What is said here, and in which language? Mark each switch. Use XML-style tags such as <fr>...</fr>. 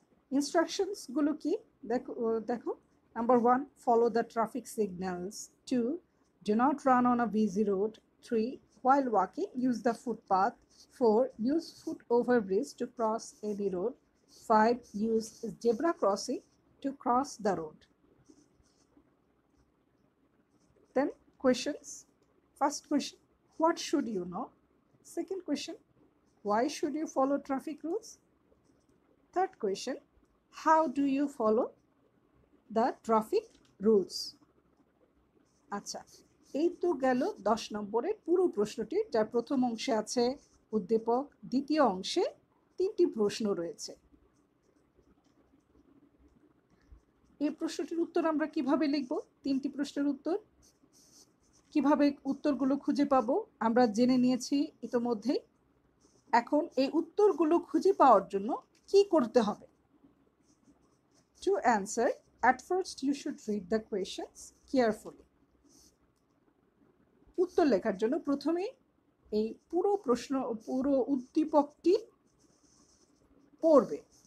<bn>ইনস্ট্রাকশনসগুলো কী দেখো, দেখো number</bn> <en>1, follow the traffic signals, 2, do not run on a busy road, 3, while walking use the footpath, 4, use foot over bridge to cross any road, 5, use zebra crossing to cross the road. Then questions, first question, what should you know? Second question, why should you follow traffic rules? Third question, how do you follow the traffic rules?</en> <bn>Acha, ei to gelo 10 number er puro proshno ti jar prothom ongshe ache uddipok, ditiyo ongshe tinti proshno royeche. Ei proshnotir uttor amra kibhabe likhbo, tinti proshner uttor কীভাবে উত্তরগুলো খুঁজে পাবো আমরা জেনে নিয়েছি ইতোমধ্যেই। এখন এই উত্তরগুলো খুঁজে পাওয়ার জন্য কি করতে হবে?</bn> <en>To answer, at first you should read the questions carefully.</en> <bn>উত্তর লেখার জন্য প্রথমে এই পুরো প্রশ্ন, পুরো উদ্দীপকটি পড়বে।</bn>